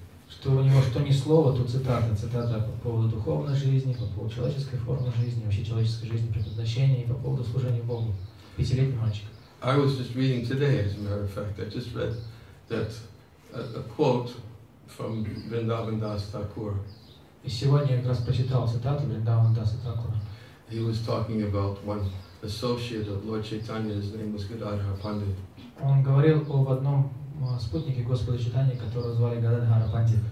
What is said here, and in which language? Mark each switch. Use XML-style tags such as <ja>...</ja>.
<ru>Что у него что ни слово, то цитата. Цитата по поводу духовной жизни, по поводу человеческой формы жизни, вообще человеческой жизни, предназначения и по поводу служения Богу. Пятилетний мальчик.</ru> <en>I was just reading today, as a matter of fact, I just read that a quote from Vrindavan Das Thakur.</en> <ru>И сегодня я как раз прочитал цитату Vrindavan Das Thakur.</ru> <en>He was talking about one associate of Lord Chaitanya, his name was Gadadhar Pandit.</en> <ru>Он говорил об одном спутники Господа Читания, которого звали Гададхара Пандит.</ru>